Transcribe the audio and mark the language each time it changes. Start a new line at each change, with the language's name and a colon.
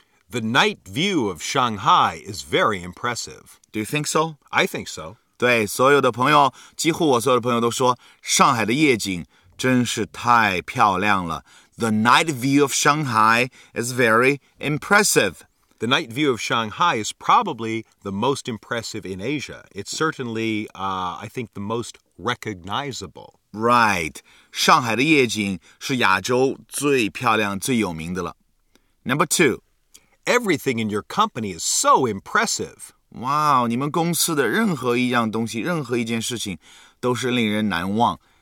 English: The night view of Shanghai is very impressive. Do you think so? I think so.
Chinese: 对，所有的朋友，几乎我所有的朋友都说，上海的夜景真是太漂亮了。
English: The night view of Shanghai is very impressive. The night view of Shanghai is probably the most impressive in Asia. It's certainly, I think, the most recognizable. Right.
Chinese: 上海的夜景是亚洲最漂亮、最有名的了。
English: Number two. Everything in your company is so impressive.
Chinese: Wow, 你们公司的任何一样东西、任何一件事情都是令人难忘。